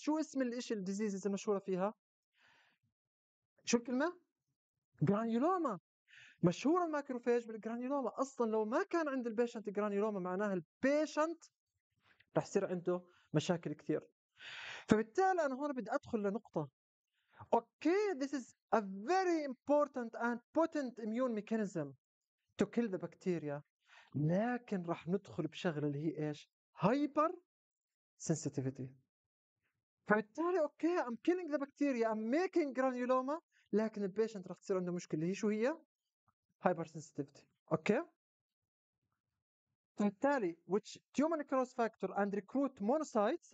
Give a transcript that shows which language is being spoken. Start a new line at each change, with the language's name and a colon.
Arabic: شو اسم الشيء الديزيز المشهوره فيها؟ شو الكلمة؟ جرانيولوما. مشهورة الماكروفاج بالجرانيولوما. أصلا لو ما كان عند البيشنت جرانيولوما معناها البيشنت رح يصير عنده مشاكل كثير. فبالتالي أنا هون بدي أدخل لنقطة.
English: Okay this is a very important and potent immune mechanism to kill the bacteria.
Arabic: لكن رح ندخل بشغلة اللي هي إيش؟ هايبر سنسيتيفيتي. فبالتالي أوكي
English: I'm killing the bacteria I'm making granuloma
Arabic: لكن البيشنت راح تصير عنده مشكلة. هي شو هي؟ هايبر سنسيتيفيتي.
English: Okay فبالتالي which tumor necrosis factor and recruit monocytes.